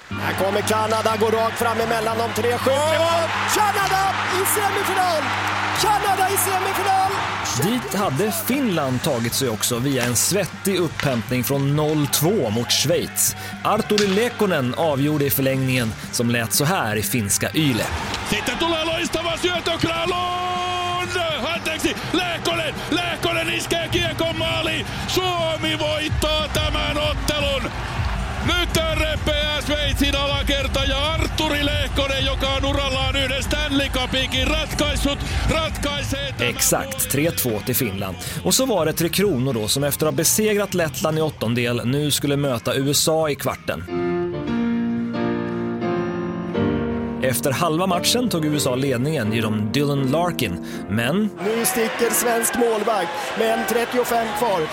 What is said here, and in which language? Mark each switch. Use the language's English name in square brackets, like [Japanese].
[Swedish] Här kommer Kanada, går rakt fram emellan de 3 skyttarna. Kanada i semifinal! Kanada i semifinal! Dit hade Finland tagit sig också via en svettig upphämtning från 0-2 mot Schweiz. Arturi Lekkonen avgjorde i förlängningen som lät så här i finska Yle. [Finnish] Sitten tulee loistava syötö Kralund! Anteeksi, Lekkonen! Lekkonen iskee kiekon maaliin! Suomi voittaa tämän ottelun! Nyt repeää Sveitsin alakerta ja Arturi Lehkonen, joka on urallaan yhden Stanley Cupinkin ratkaisut, ratkaisee tämän... [Swedish] Exakt, 3-2 till Finland. Och så var det Tre Kronor då, som efter att ha besegrat Lettland i åttondel nu skulle möta USA i kvarten. Efter halva matchen tog USA ledningen genom Dylan Larkin, men... Nu sticker svensk målvakt med 1:35 kvar.